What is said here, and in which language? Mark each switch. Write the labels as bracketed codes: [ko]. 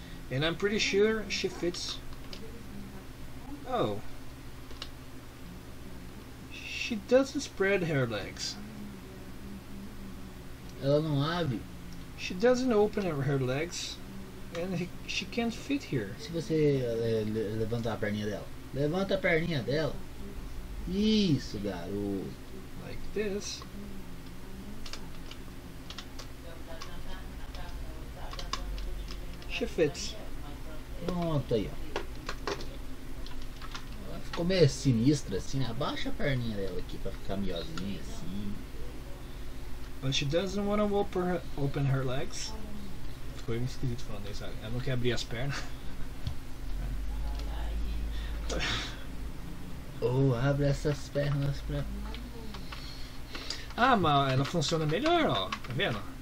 [en] And I'm pretty sure she fits. Oh, she doesn't spread her legs. [pt] Ela não abre. [en] She doesn't open her legs, and she can't fit here. [pt] Se você levantar a perninha dela, levanta a perninha dela. Isso, garoto. [en] Like this. chifetes. [pt] Pronto, aí, ó. Ela ficou meio sinistra, assim, né? Abaixa a perninha dela aqui pra ficar miozinha, assim. [en] But she doesn't want to open her legs. [pt] Ficou meio esquisito falando isso. Ela não quer abrir as pernas. Ou oh, abre essas pernas pra... Ah, mas ela funciona melhor, ó. Tá vendo?